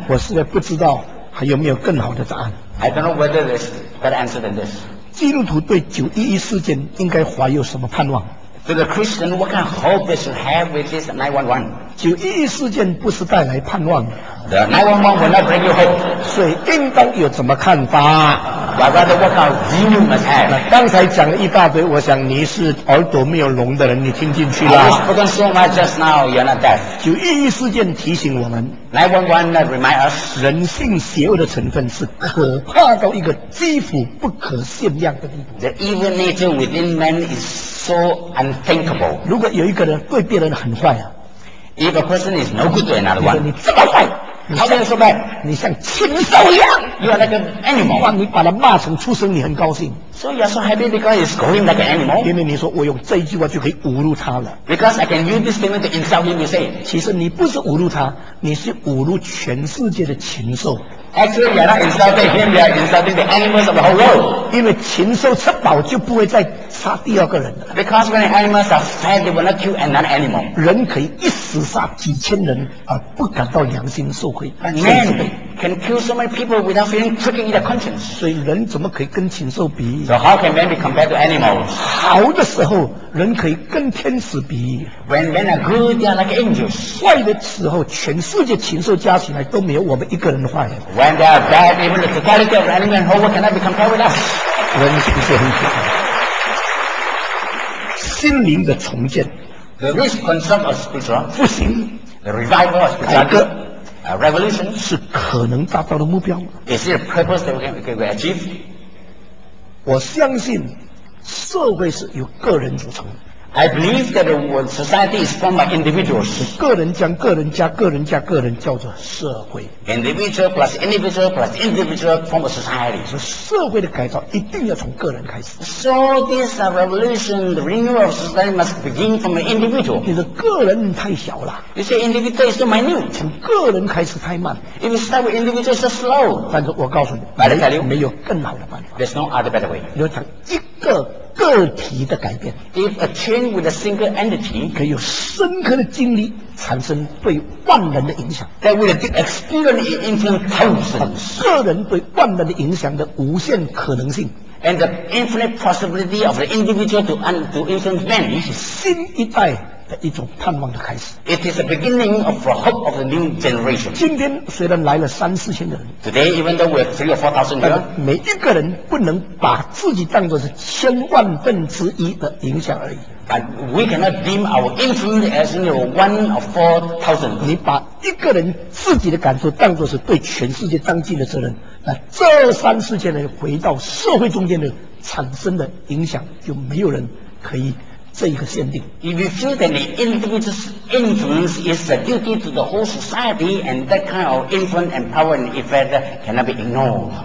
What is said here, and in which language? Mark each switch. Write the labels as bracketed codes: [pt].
[zh] 我实在不知道还有没有更好的答案。 [en] I don't know whether there's better answer than this. [zh] 基督徒对九一一事件应该怀有什么盼望 [en] ？To the Christian, what kind of hope they should have with this 911？ [zh] 九一一事件不是带来盼望的。 [en] The 911 will not bring you hope. [zh] 所以应当有什么看法 [en] ？But rather, what kind of view you must have？ [zh] 那刚才讲了一大堆，我想你是耳朵没有聋的人，你听进去了。 [en] I was spoken so much just now, you're not deaf. [zh] 九一一事件提醒我们 [en] ，911 remind us， [zh] 人性邪恶的成分是可怕到一个几乎不可限量的地步。 [en] The evil nature within man is so unthinkable. [zh] 如果有一个人对别人很坏啊 [en] ，If a person is no good to another one， [zh] 你这么坏。 [en] How can you so bad? [zh] 你像禽兽一样。 [en] You are like an animal. [zh] 哇，你把它骂成畜生，你很高兴。 [en] So you are so happy because it's going like an animal. [zh] 因为你说我用这一句话就可以侮辱他了。 [en] Because I can use this statement to insult him, you say. [zh] 其实你不是侮辱他，你是侮辱全世界的禽兽。 [en] Actually, you are not insulting him, you are insulting the animals of the whole world. [zh] 因为禽兽吃饱就不会再杀第二个人了。 [en] Because when animals are fed, they will not kill another animal. [zh] 人可以一死杀几千人而不感到良心受愧。 [en] Man can kill so many people without feeling pricking in the conscience. [zh] 所以人怎么可以跟禽兽比 [en] ？So how can man be compared to animals? [zh] 好的时候，人可以跟天使比。 [en] When men are good, they are like angels. [zh] 坏的时候，全世界禽兽加起来都没有我们一个人坏。 [en] When they are bad, even the totality of animal and whole world cannot be compared with us. [zh] 人是不是很可怕？心灵的重建 [en] ，the reconstruction of spiritual [zh] 复兴 [en] ，the revival of spiritual [zh] 改革 [en] ，a revolution [zh] 是可能达到的目标。 [en] Is it a purpose that we can achieve? [zh] 我相信社会是由个人组成。 [en] I believe that society is formed by individuals. [zh] 个人将个人加个人加个人叫做社会。 [en] Individual plus individual plus individual form a society. [zh] 所以社会的改造一定要从个人开始。 [en] So this revolution, the renewal of society must begin from an individual. [zh] 你的个人太小了。 [en] You say individual is too minute. [zh] 从个人开始太慢。 [en] If you start with individual, it's slow. [zh] 但是我告诉你 [en] ，I tell you, [zh] 没有更好的办法。 [en] There's no other better way. [zh] 你要讲一个。个体的改变 [en] If a change with a single entity [zh] 可以有深刻的经历产生对万人的影响 [en] That will experience it influence thousands [zh] 个人对万人的影响的无限可能性 [en] And the infinite possibility of the individual to influence many [zh] 是新一代的一种盼望的开始 [en] It is the beginning of the hope of the new generation [zh] 今天虽然来了三四千个人 [en] Today even though we have 3,000 or 4,000 here [zh] 每一个人不能把自己当作是千万分之一的影响而已 [en] But we cannot deem our influence as only 1 or 4,000 [zh] 你把一个人自己的感受当作是对全世界当尽的责任那这三四千人回到社会中间的产生的影响就没有人可以这一个限定 [en] If you feel that the individual's influence is a duty to the whole society and that kind of influence and power and effect cannot be ignored